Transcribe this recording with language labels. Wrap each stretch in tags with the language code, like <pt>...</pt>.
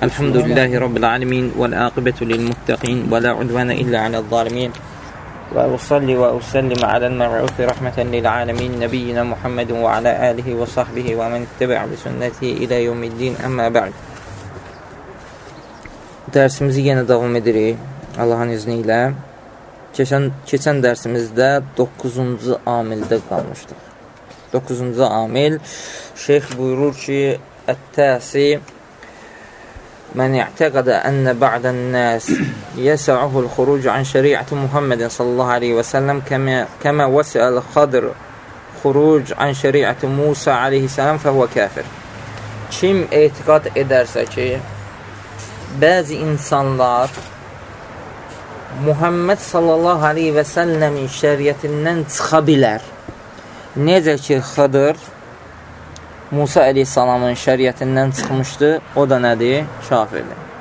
<ar>الحمد لله رب العالمين والعاقبة للمتقين ولا عدوان إلا على الظالمين. وأصلي وأسلم على المبعوث رحمة للعالمين نبينا محمد وعلى آله وصحبه ومن اتبع بسنته إلى يوم الدين. أما بعد,</ar> <tr>dersimizi yine devam ediyoruz Allah'ın izniyle. Geçen dersimizde 9. amilde kalmıştık. 9. amil, şeyh buyurur ki</tr> <ar>التاسي من اعتقد أن بعض الناس يسعه الخروج عن شريعة محمد صلى الله عليه وسلم كما وسع الخضر خروج عن شريعة موسى عليه السلام فهو كافر.</ar> <tr>Kim اعتقد ederse ki bazı insanlar Muhammed صلى الله عليه وسلم şeriatından çıkabilir,</tr> <az>necə ki Xıdır Musa Aleyhisselamın şəriətindən çıxmışdı, o da nədir? Kafirdir.</az>